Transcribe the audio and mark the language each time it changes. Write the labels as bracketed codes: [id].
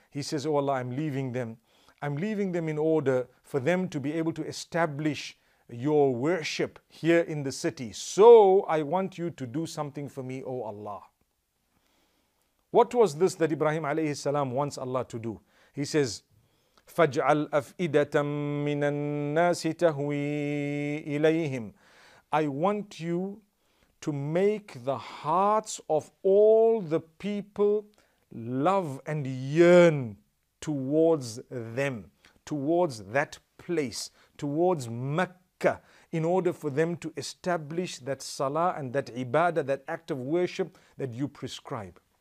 [en] He says, oh Allah, I'm leaving them. I'm leaving them in order for them to be able to establish your worship here in the city. So I want you to do something for me, oh Allah. What was this that Ibrahim alayhi salam wants Allah to do? He says, [ar] فَاجْعَلْ أَفْئِدَةً مِّنَ النَّاسِ تَهْوِي إِلَيْهِمْ. [en] I want you to make the hearts of all the people love and yearn towards them, towards that place, towards Mecca, in order for them to establish that salah and that ibadah, that act of worship that you prescribe.